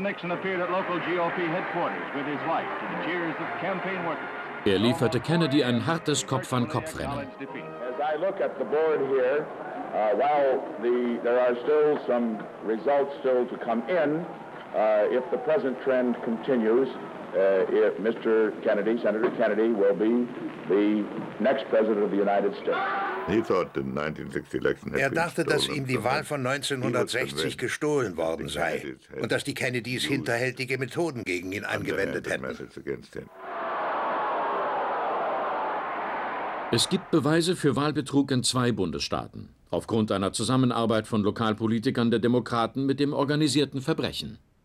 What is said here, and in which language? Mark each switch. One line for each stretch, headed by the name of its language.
English: Nixon appeared at local GOP headquarters with his wife to the cheers of campaign workers.
German: Er lieferte Kennedy ein hartes Kopf-an-Kopf-Rennen.
English: As I look at the board here, there are still some results still to come in. If the present trend continues, if Mr. Kennedy, Senator Kennedy, will be the next president of the United States.
German: Er dachte, dass ihm die Wahl von 1960 gestohlen worden sei und dass die Kennedys hinterhältige Methoden gegen ihn angewendet hätten. Es gibt Beweise für Wahlbetrug in zwei Bundesstaaten, aufgrund einer Zusammenarbeit von Lokalpolitikern der Demokraten mit dem organisierten Verbrechen.